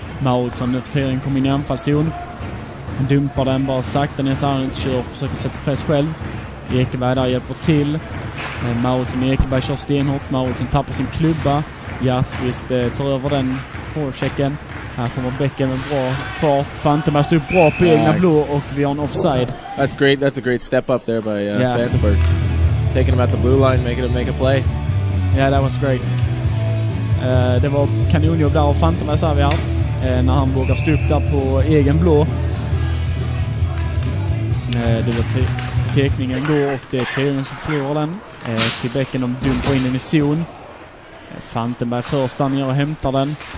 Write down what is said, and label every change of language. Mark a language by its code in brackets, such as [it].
[sv] Maud som nu för Tyring kommer in i anfallszon, dumpar den bara sakta ner, så han inte kör och försöker sätta press själv. Ekeberg där hjälper till. Mauritsen och Ekeberg kör stenhårt. Mauritsen tappar sin klubba. Hjärtvist tar över den forechecken. Här kommer Bäcken med bra fart. Fantenberg står bra på egna blå och vi har en offside. [en] That's great. That's a great step up there by Fantenberg. Taking him at the blue line, making him make a play. Yeah, that was great. [sv] Det var kanonjobb där av Fantenberg, sa vi här. När han vågar stå upp där på egen blå. Det var typ teckningen går och det är Tyringen som förlorar den. Till Bäcken, de dumpar in den i zon. Fantenberg först, han gör och hämtar den.